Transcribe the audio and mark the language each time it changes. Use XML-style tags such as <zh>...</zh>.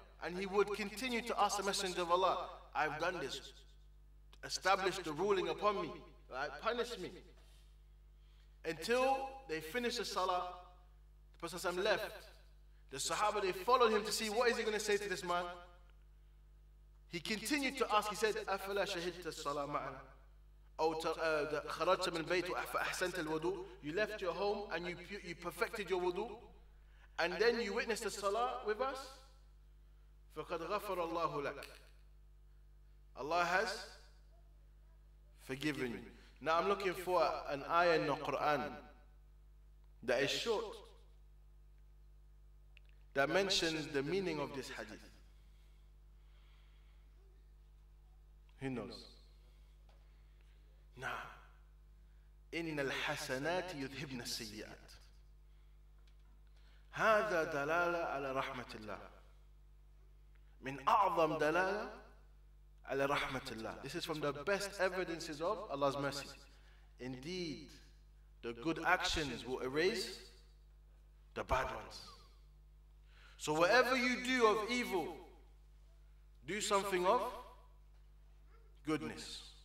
<en>And he would continue to ask the Messenger of Allah, I've done this. Establish the ruling upon me. Like, punish me. Until they finished the salah, the Prophet left. The sahaba, they followed him to see what is he going to say to this man. He continued to ask. He said,</en> <ar>أَفَلَا شَهِدْتَ الصَّلَاةَ مَعَنَا أَوْ خَرَجْتَ مِنْ بَيْتُ فَأَحْسَنْتَ الْوُضُوء.</ar> <en>You left your home and you perfected your wudu, and then you witnessed the salah with us.</en> <ar>فَقَدْ غَفَرَ اللَّهُ لَكَ.</ar> <en>Allah has forgiven you. Now I'm looking for an ayah in the Quran that is short, that mentions the meaning of this hadith. Who knows? Nah.</en> <ar>إن الحسنات يذهبن السيئات. هذا دلالة على رحمة الله. من أعظم دلالة على رحمة الله.</ar> <en>This is from the best evidences of Allah's mercy. Indeed, the good actions will erase the bad ones. So whatever you do of evil, do something of goodness.</en>